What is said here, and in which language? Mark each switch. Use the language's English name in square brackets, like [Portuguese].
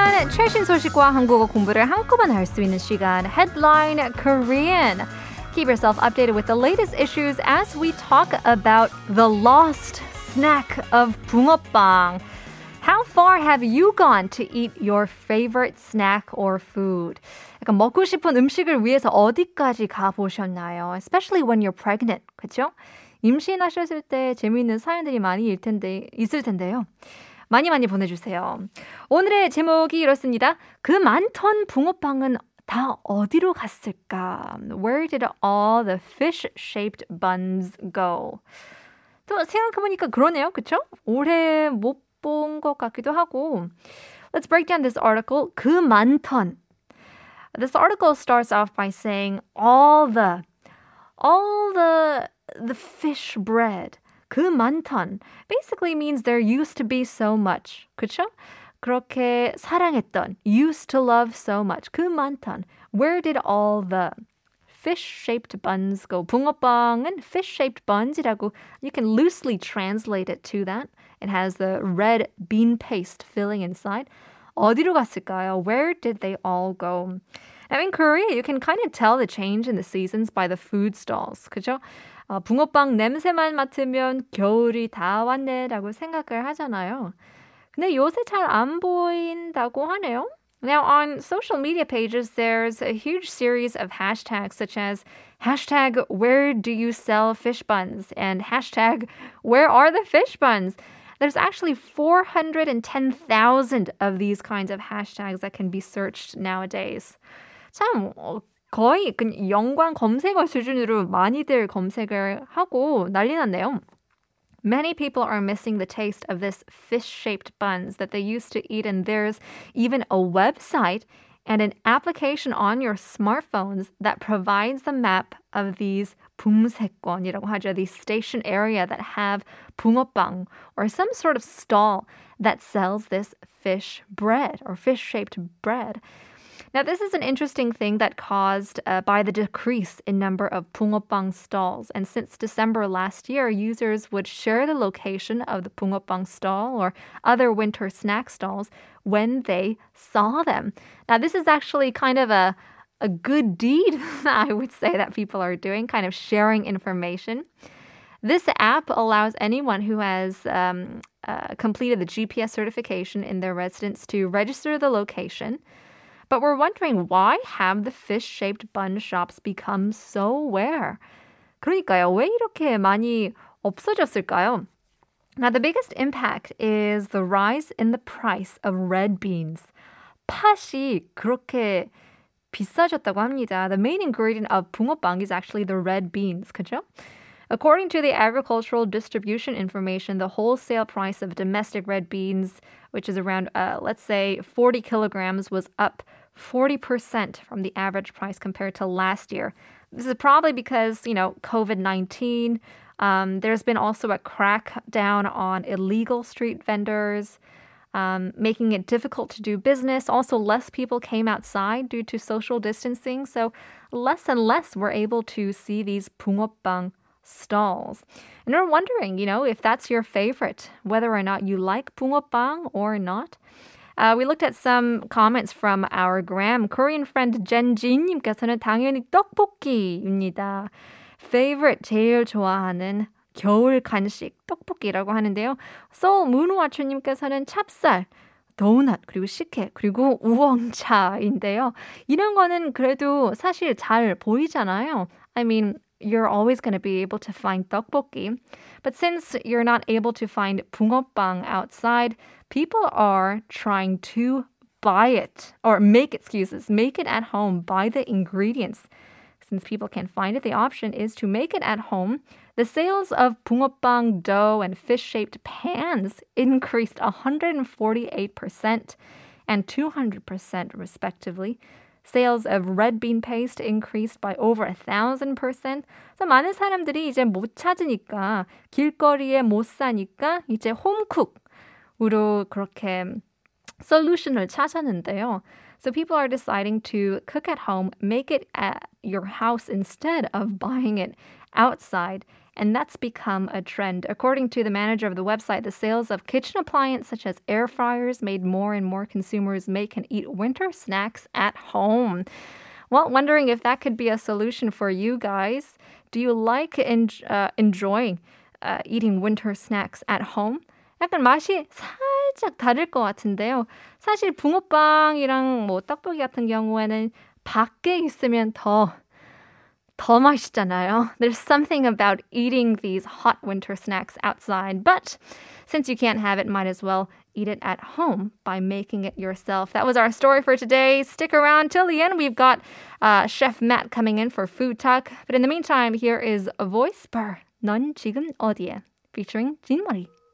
[Korean] 최신 소식과 한국어 공부를 한꺼번에 할 수 있는 시간, Headline Korean. [English] Keep yourself updated with the latest issues as we talk about the lost snack of 붕어빵. How far have you gone to eat your favorite snack or food? [Korean] 약간 먹고 싶은 음식을 위해서 어디까지 가보셨나요? [English] Especially when you're pregnant, [Korean] 그렇죠? 임신하셨을 때 재미있는 사연들이 많이 있을 텐데요. 많이 많이 보내주세요. 오늘의 제목이 이렇습니다. 그 많던 붕어빵은 다 어디로 갔을까? [English] Where did all the fish-shaped buns go? [Korean] 또 생각해보니까 그러네요, 그렇죠? 올해 못 본 것 같기도 하고. [English] Let's break down this article. [Korean] 그 많던. [English] This article starts off by saying all the fish bread. [Korean] 그 많던. [English] Basically means there used to be so much. [Korean] 그쵸? 그렇게 사랑했던. [English] Used to love so much. [Korean] 그 많던. [English] Where did all the fish-shaped buns go? 붕어빵은 fish-shaped buns이라고. You can loosely translate it to that. It has the red bean paste filling inside. [Korean] 어디로 갔을까요? [English] Where did they all go? Now in Korea, you can kind of tell the change in the seasons by the food stalls. [Korean] 그죠? 붕어빵 냄새만 맡으면 겨울이 다 왔네라고 생각을 하잖아요. 근데 요새 잘 안 보인다고 하네요. [English] Now on social media pages, there's a huge series of hashtags such as hashtag where do you sell fish buns and hashtag where are the fish buns? There's actually 410,000 of these kinds of hashtags that can be searched nowadays. [Korean] 참 거의 연관 검색어 수준으로 많이들 검색을 하고 난리 났네요. [English] Many people are missing the taste of this fish-shaped buns that they used to eat, and there's even a website and an application on your smartphones that provides the map of these 붕세권이라고 하죠. The station area that have 붕어빵 or some sort of stall that sells this fish bread or fish-shaped bread. Now, this is an interesting thing that caused by the decrease in number of 붕어빵 stalls. And since December last year, users would share the location of the 붕어빵 stall or other winter snack stalls when they saw them. Now, this is actually kind of a good deed, I would say, that people are doing, kind of sharing information. This app allows anyone who has completed the GPS certification in their residence to register the location. But we're wondering, why have the fish-shaped bun shops become so rare? [Korean] 그러니까요, 왜 이렇게 많이 없어졌을까요? [English] Now, the biggest impact is the rise in the price of red beans. [Korean] 팥이 그렇게 비싸졌다고 합니다. [English] The main ingredient of 붕어빵 is actually the red beans, [Korean] 그죠? [English] According to the agricultural distribution information, the wholesale price of domestic red beans, which is around, let's say, 40 kilograms, was up 40% from the average price compared to last year. This is probably because, you know, COVID-19. There's been also a crackdown on illegal street vendors, making it difficult to do business. Also, less people came outside due to social distancing. So less and less were able to see these 붕어빵 stalls. And we're wondering, you know, if that's your favorite, whether or not you like 붕어빵 or not. We looked at some comments from our gram. Korean friend Jen Jin님께서는 [Korean] 당연히 떡볶이입니다. Favorite, 제일 좋아하는 겨울 간식, 떡볶이라고 하는데요. Seoul Moonwatcher님께서는 찹쌀, 도넛, 그리고 식혜, 그리고 우엉차인데요. 이런 거는 그래도 사실 잘 보이잖아요. [English] I mean, you're always going to be able to find 떡볶이. But since you're not able to find 붕어빵 outside, people are trying to buy it, or make it at home, buy the ingredients. Since people can't find it, the option is to make it at home. The sales of 붕어빵 dough and fish-shaped pans increased 148% and 200% respectively. Sales of red bean paste increased by over 1,000%. [Korean] So 많은 사람들이 이제 못 찾으니까, 길거리에 못 사니까 이제 홈쿡으로 그렇게 솔루션을 찾았는데요. [English] So people are deciding to cook at home, make it at your house instead of buying it outside. And that's become a trend. According to the manager of the website, the sales of kitchen appliances such as air fryers made more and more consumers make and eat winter snacks at home. Well, wondering if that could be a solution for you guys. Do you like enjoying eating winter snacks at home? [Korean] 약간 맛이 살짝 다를 것 같은데요. 사실 붕어빵이랑 뭐 떡볶이 같은 경우에는 밖에 있으면 더 맛있잖아요. [English] There's something about eating these hot winter snacks outside. But since you can't have it, might as well eat it at home by making it yourself. That was our story for today. Stick around till the end. We've got Chef Matt coming in for Food Talk. But in the meantime, here is Voicebur, 넌 지금 어디에? Featuring 진머리.